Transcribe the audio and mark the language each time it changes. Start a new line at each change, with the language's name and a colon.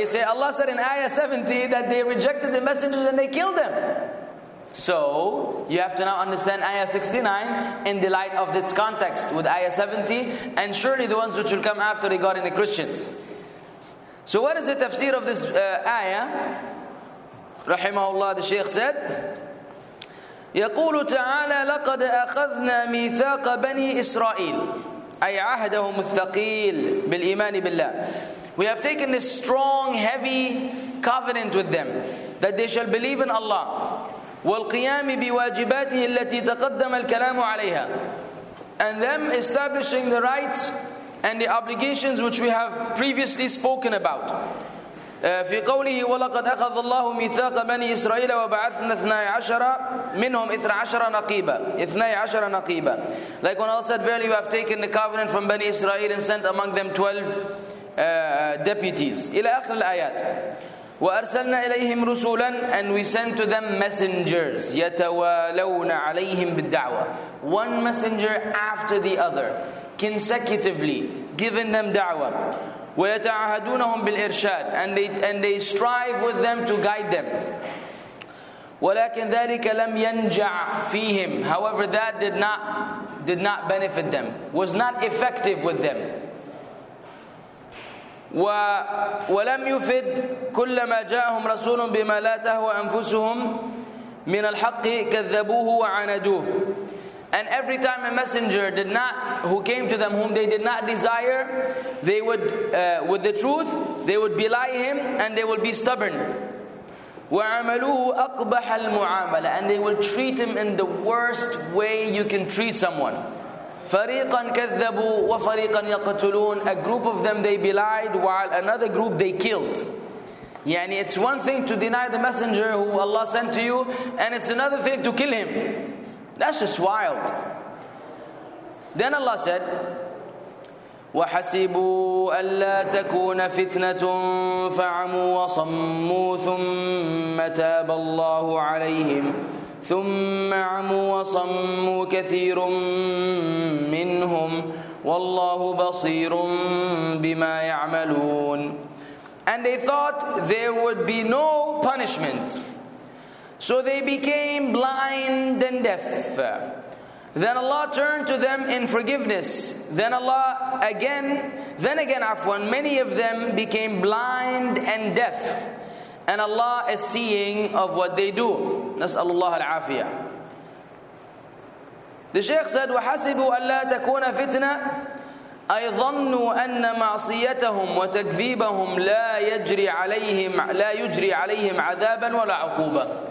English: You say, Allah said in ayah 70 that they rejected the messengers and they killed them. So, you have to now understand ayah 69 in the light of its context with ayah 70 and surely the ones which will come after regarding the Christians. So, what is the tafsir of this ayah?
Arabic: Rahimahullah,
English: the Shaykh said,
Arabic: يقول تعالى لقد أخذنا ميثاق بني إسرائيل أي عهدهم الثقيل بالإيمان بالله.
English: We have taken this strong, heavy covenant with them that they shall believe in Allah.
Arabic: والقيام بواجباته التي تقدم الكلام عليها.
English: And them establishing the rights and the obligations which we have previously spoken about.
Arabic: في قوله ولقد أخذ الله ميثاق بني إسرائيل وبعثنا 12 منهم 12 نقيبا 12 نقيبا.
English: Like when Allah said, verily we have taken the covenant from Bani Israel and sent among them 12 deputies.
Arabic: إلى آخر الآيات. وأرسلنا إليهم رسولا,
English: and we sent to them messengers
Arabic: يتوالون عليهم بالدعوة.
English: One messenger after the other, consecutively giving them da'wah.
Arabic: ويتعهدونهم بالإرشاد,
English: and they strive with them to guide them.
Arabic: ولكن ذلك لم ينجع فيهم,
English: however that did not benefit them, was not effective with them.
Arabic: ولم يفد كلما جاءهم رسول بما لا تهوى أنفسهم من الحق كذبوه وعندوه.
English: And every time a messenger who came to them, whom they did not desire, they would, with the truth, they would belie him and they would be stubborn.
Arabic: وَعَمَلُوهُ أَقْبَحَ الْمُعَامَلَ,
English: and they will treat him in the worst way you can treat someone.
Arabic: فَرِيقًا كَذَّبُوا وَفَرِيقًا يَقْتُلُونَ,
English: a group of them they belied while another group they killed.
Arabic: يعني,
English: it's one thing to deny the messenger who Allah sent to you, and it's another thing to kill him. That's just wild. Then Allah said,
Arabic: وَحَسِبُوا أَلَّا تَكُونَ فِتْنَةٌ فَعَمُوا وَصَمُّوا ثُمَّ تَابَ اللَّهُ عَلَيْهِمْ ثُمَّ عَمُوا وَصَمُّوا كَثِيرٌ مِّنْهُمْ وَاللَّهُ بَصِيرٌ بِمَا يَعْمَلُونَ.
English: And they thought there would be no punishment, so they became blind and deaf. Then Allah turned to them in forgiveness. Then again, afwan, many of them became blind and deaf. And Allah is seeing of what they do.
Arabic: نسأل الله العافية.
English: The Shaykh said,
Arabic: وَحَسِبُوا أَلَّا تَكُونَ فِتْنَةً أَيْ ظَنُّوا أَنَّ مَعْصِيَتَهُمْ وَتَكْذِيبَهُمْ لَا يَجْرِي عَلَيْهِمْ لَا يُجْرِي عَلَيْهِمْ عَذَابًا وَلَا عُقُوبًا.